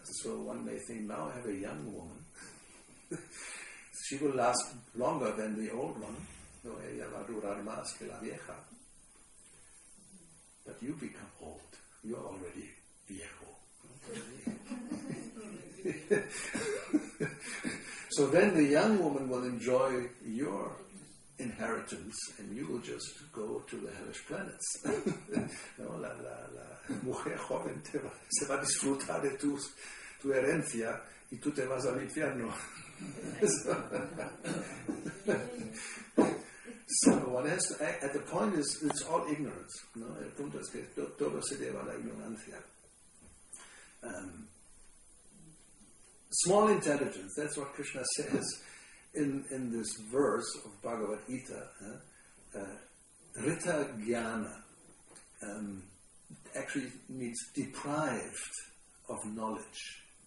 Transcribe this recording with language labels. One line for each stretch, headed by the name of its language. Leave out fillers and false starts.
English: So one may think, now I have a young woman. She will last longer than the old one.
Spanish: No, ella va a durar más que la vieja.
English: But you become old. You are already viejo. So then the young woman will enjoy your inheritance, and you will just go to the hellish planets.
Spanish: No, la mujer joven se va a disfrutar de tu herencia y tú te vas al infierno.
English: So one has to act. At the point is, it's all ignorance.
Spanish: No, el punto es que todo se debe a la ignorancia.
English: Small intelligence. That's what Krishna says in this verse of Bhagavad Gita. Rita jnana actually means deprived of knowledge.